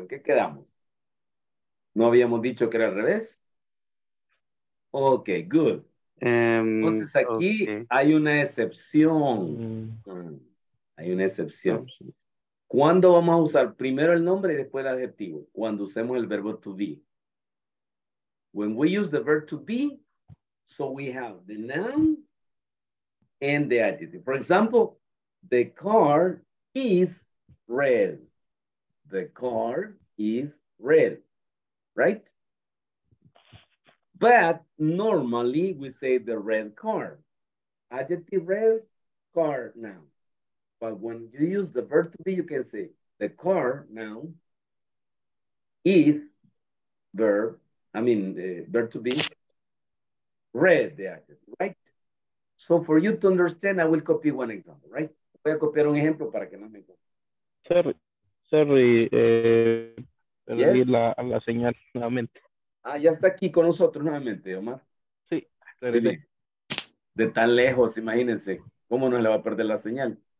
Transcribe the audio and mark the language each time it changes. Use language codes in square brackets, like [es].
[es] ¿En qué quedamos? ¿No habíamos dicho que era al revés? Ok, good. Entonces aquí hay una excepción. Hay una excepción. ¿Cuándo vamos a usar primero el nombre y después el adjetivo? Cuando usemos el verbo to be. [en] When we use the verb to be, so we have the noun and the adjective. For example, the car is red. The car is red, right? But normally we say the red car. Adjective red, car noun. But when you use the verb to be, you can say the car noun is verb to be red, the adjective, right? So for you to understand, I will copy one example, right? [es] Voy a copiar un ejemplo para que no me copie. [en] Sorry, yes. [es] la señal nuevamente. Ah, ya está aquí con nosotros nuevamente, Omar. Sí, de tan lejos, imagínense, ¿cómo no le va a perder la señal?